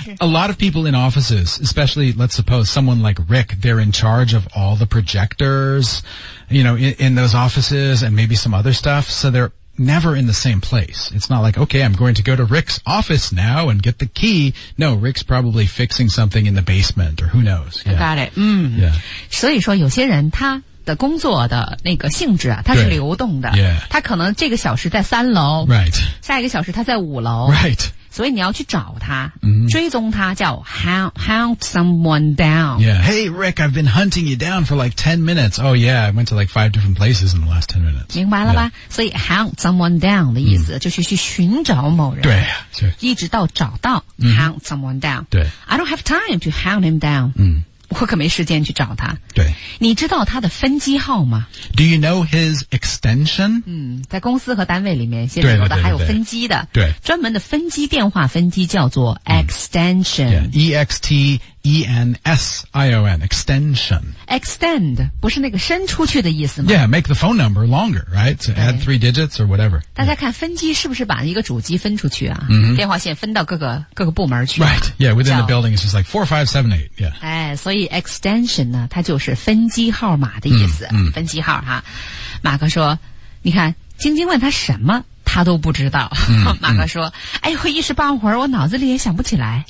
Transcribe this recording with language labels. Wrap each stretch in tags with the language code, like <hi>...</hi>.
<en>A lot of people in offices, especially let's suppose someone like Rick, they're in charge of all the projectors, you know, in those offices and maybe some other stuff. So they're never in the same place. It's not like, okay, I'm going to go to Rick's office now and get the key. No, Rick's probably fixing something in the basement or who knows. Yeah. Got it.、Mm. Yeah.</en> <zh>所以说有些人他的工作的那个性质啊它是流动的、</zh> <en>yeah.</en> <zh>它可能这个小时在三楼、</zh> <en>right.</en> <zh>下一个小时它在五楼、</zh> <en>right.</en> <zh>所以你要去找它、 mm-hmm. 追踪它叫</zh> <en>hunt someone down、 yeah. Hey Rick, I've been hunting you down for like 10 minutes Oh yeah, I went to like 5 different places in the last 10 minutes</en> <zh>明白了吧、yeah. 所以</zh> <en>hunt someone down</en> <zh>的意思、mm-hmm. 就是去寻找某人对一直到找到、 mm-hmm.</zh> <en>hunt someone down</en> <zh>对</zh> <en>I don't have time to hunt him down、 mm-hmm.</en> <zh>我可没时间去找他。对。你知道他的分机号吗</zh> <en>?Do you know his extension?</en> <zh>嗯在公司和单位里面现在有的还有分机的。对, 对, 对, 对, 对。专门的分机电话分机叫做 extension。嗯</zh> <en>yeah, E-X-T-E-N-S-I-O-N, extension.</en> <zh>Extend, 不是那个伸出去的意思吗</zh> <en>Yeah, make the phone number longer, right? So add three digits or whatever.</en> <zh>大家看分机是不是把一个主机分出去啊、 mm-hmm. 电话线分到各个部门去、啊。</zh> <en>Right, yeah, within the building, it's just like 4, 5, 7, 8, yeah.</en> <zh>哎所以 extension 呢它就是分机号码的意思。 Mm-hmm. 分机号哈。马克说你看晶晶问他什么他都不知道。 Mm-hmm. 马克说哎呦一时半会儿我脑子里也想不起来。</zh>